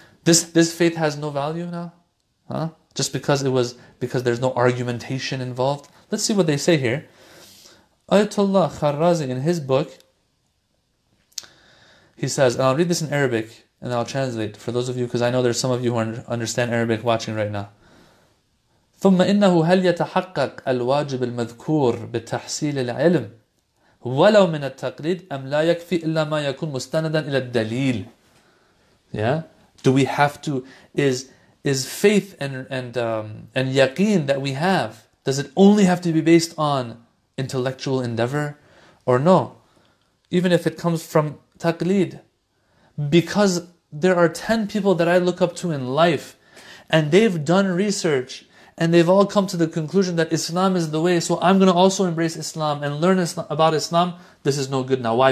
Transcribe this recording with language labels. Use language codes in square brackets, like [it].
[en] This faith has no value now? Huh? Just because there's no argumentation involved? Let's see what they say here. Ayatollah Kharrazi, in his book, he says, and I'll read this in Arabic, and I'll translate for those of you, because I know there's some of you who understand Arabic watching right now. [ar] ثم إنه هل يتحقق الواجب المذكور بتحصيل العلم ولو من التقليد أم لا يكفي إلا ما يكون مستندا إلى الدليل. [en] Yeah, do we have to? Is faith and yaqeen that we have, does it only have to be based on intellectual endeavor, or no? Even if it comes from taqleed, because there are 10 people that I look up to in life, and they've done research, and they've all come to the conclusion that Islam is the way, so I'm going to also embrace Islam and learn about Islam, this is no good now. Why?